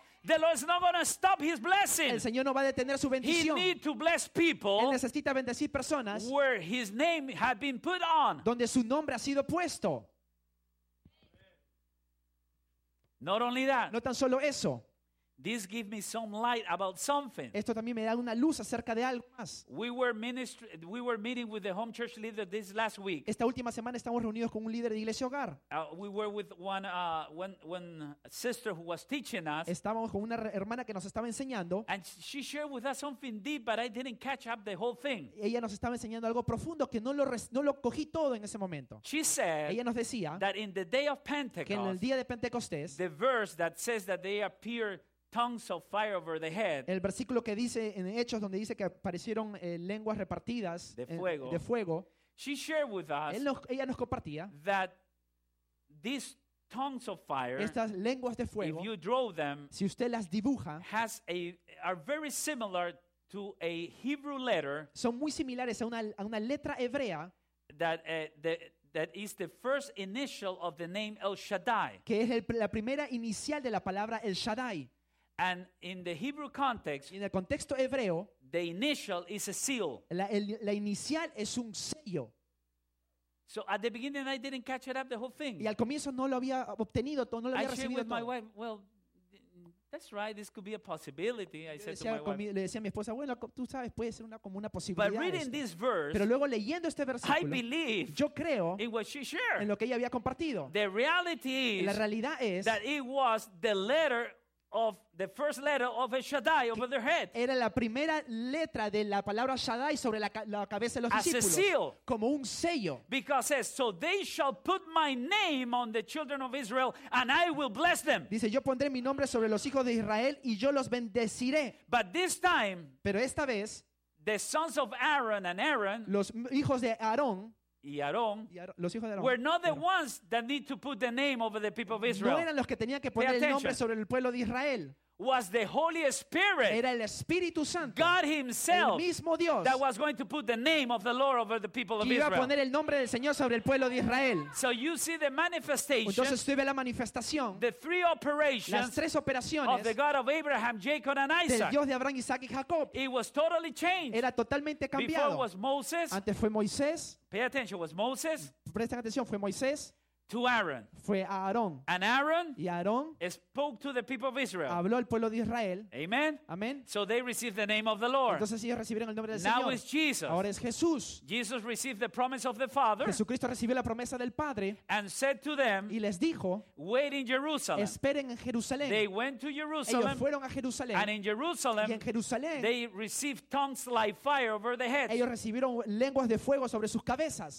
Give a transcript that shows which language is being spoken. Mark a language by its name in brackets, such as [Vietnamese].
[English] The Lord is not going to stop his blessing. [Spanish] El Señor no va a detener su bendición. [English] He need to bless people. [Spanish] Él necesita bendecir personas [English] where his name had been put on. [Spanish] Donde su nombre ha sido puesto. [English] Not only that, [Spanish] no tan solo eso. [English] This gives me some light about something. [Spanish] Esto también me da una luz acerca de algo más. [English] We were meeting with the home church leader this last week. [Spanish] Esta última semana estamos reunidos con un líder de iglesia hogar. [English] We were with one sister who was teaching us. [Spanish] Estábamos con una hermana que nos estaba enseñando. [English] And she shared with us something deep, but I didn't catch up the whole thing. [Spanish] Ella nos estaba enseñando algo profundo que no lo cogí todo en ese momento. [English] She said, [Spanish] ella nos decía, [English] that in the day of Pentecost, [Spanish] que en el día de Pentecostés, [English] the verse that says that they appear tongues of fire over the head. [Spanish] El versículo que dice en Hechos donde dice que aparecieron lenguas repartidas de fuego. [English] She shared with us. [Spanish] Ella nos compartía [English] that these tongues of fire, [Spanish] estas lenguas de fuego, [English] if you draw them, [Spanish] si usted las dibuja, [English] are very similar to a Hebrew letter. [Spanish] Son muy similares a una letra hebrea [English] that is the first initial of the name El Shaddai. [Spanish] Que es la primera inicial de la palabra El Shaddai. [English] And in the Hebrew context, [Spanish] en el contexto hebreo, [English] the initial is a seal. [Spanish] La inicial es un sello. [English] So at the beginning I didn't catch it up the whole thing. [Spanish] Y al comienzo no lo había obtenido, no lo había recibido. [English] I shared with my wife, well, That's right, this could be a possibility, I said to my wife. [Spanish] Le decía a mi esposa, bueno, tú sabes, puede ser una como una posibilidad. [English] But reading this verse, [Spanish] pero luego leyendo este versículo, [English] I believe, [Spanish] yo creo, [English] in what she shared, [Spanish] en lo que ella había compartido. [English] The reality is, [Spanish] la realidad es, [English] that it was the letter of the first letter of El Shaddai over their head. [Spanish] Era la primera letra de la palabra Shaddai sobre la cabeza de los discípulos. [English] As a seal, [Spanish] como un sello. [English] Because it says, so they shall put my name on the children of Israel and I will bless them. [Spanish] Dice, yo pondré mi nombre sobre los hijos de Israel y yo los bendeciré. [English] But this time, [Spanish] pero esta vez, [English] the sons of Aaron and Aaron, [Spanish] los hijos de Aarón, y Aarón, los hijos de Aarón, [English] were not the ones that need to put the name over the people of Israel. [Spanish] No eran los que tenían que poner el nombre sobre el pueblo de Israel. [English] Was the Holy Spirit, [Spanish] era el Espíritu Santo, [English] God himself, [Spanish] el mismo Dios, [English] that was going to put the name of the Lord over the people of Israel. [Spanish] Iba a poner el nombre del Señor sobre el pueblo de Israel. [English] So you see the manifestation, [Spanish] entonces tú ves la manifestación, [English] the three operations, [Spanish] las tres operaciones, [English] of the God of Abraham, Jacob, and Isaac, [Spanish] del Dios de Abraham, Isaac y Jacob. [English] It was totally changed, [Spanish] era totalmente cambiado. [English] Before was Moses, [Spanish] antes fue Moisés. [English] Pay attention, was Moses, [Spanish] presten atención, fue Moisés. [English] To Aaron. [Spanish] Fue a Aarón. [English] And Aaron, [Spanish] y Aarón, [English] spoke to the people of Israel. [Spanish] Habló al pueblo de Israel. [English] Amen. [Spanish] Amen. [English] So they received the name of the Lord. [Spanish] Entonces ellos recibieron el nombre del [English] now [Spanish] Señor. [English] Now is Jesus. [Spanish] Ahora es Jesús. [English] Jesus received the promise of the Father. [Spanish] Jesucristo recibió la promesa del Padre. [English] And said to them, [Spanish] y les dijo, [English] wait in Jerusalem. [Spanish] Esperen en Jerusalén. [English] They went to Jerusalem. [Spanish] Ellos fueron a Jerusalén. [English] And in Jerusalem, [Spanish] y en Jerusalén, [English] they received tongues like fire over their heads. [Spanish] Ellos recibieron lenguas de fuego sobre sus cabezas.